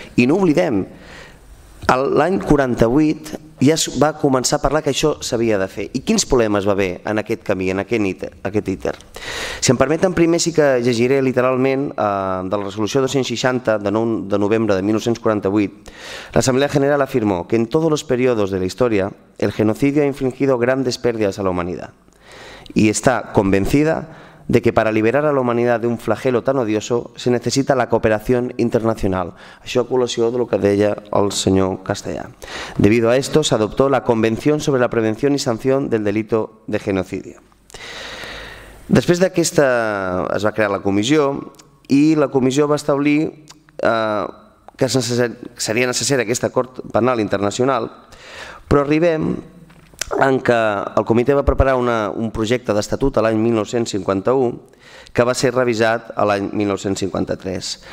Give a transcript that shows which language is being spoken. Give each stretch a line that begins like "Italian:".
Catalan: I no oblidem, l'any 48 ja es va començar a parlar que això s'havia de fer. I quins problemes va haver en aquest camí, en aquest íter? Si em permeten, primer sí que llegiré literalment de la resolució 260 de 9 de novembre de 1948.
Spanish: L'Assemblea General afirmó que en todos los periodos de la historia el genocidio ha infligido grandes pérdidas a la humanidad y está convencida de que para liberar a la humanidad de un flagelo tan odioso se necesita la cooperación internacional.
Catalan: Això a col·lació de lo que deia el senyor Castellà.
Spanish: Debido a esto, se adoptó la Convención sobre la Prevención y Sanción del Delito de Genocidio.
Catalan: Després d'aquesta, es va crear la comissió, i la comissió va establir que seria necessari aquest acord penal internacional, però arribem en què el comitè va preparar un projecte d'estatut a l'any 1951 que va ser revisat a l'any 1953.